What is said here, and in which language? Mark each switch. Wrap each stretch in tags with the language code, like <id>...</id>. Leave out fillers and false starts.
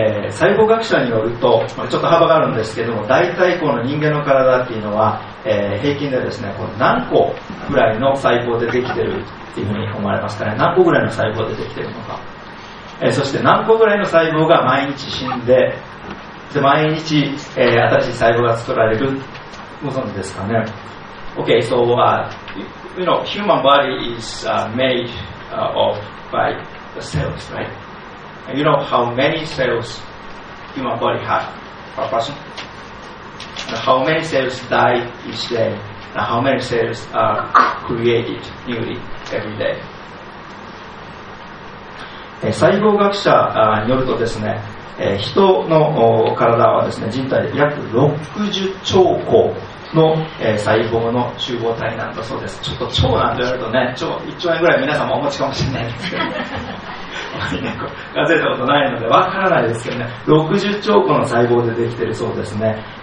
<ja>細胞学者によると、まあ、ちょっと幅があるんですけども、大体この人間の体っていうのは、平均でですね、こう何個ぐらいの細胞でできているというふうに思われますかね。何個ぐらいの細胞でできているのか、そして何個ぐらいの細胞が毎日死んで、で毎日、新しい細胞が作られる、ご存知ですかね。</ja> <en>Okay, so, you know, human body is made of by the cells, right? And you know how many cells human body have per person? And how many cells die each day? And how many cells are created newly every day?</en> <ja>細胞学者によるとですね、人の体はですね、人体で約60兆個の、細胞の集合体なんだそうです。ちょっと腸なんて言われるとね、腸1兆円ぐらい皆さんもお持ちかもしれないですけど、数えたことないのでわからないですけどね、60兆個の細胞でできているそうですね。</ja>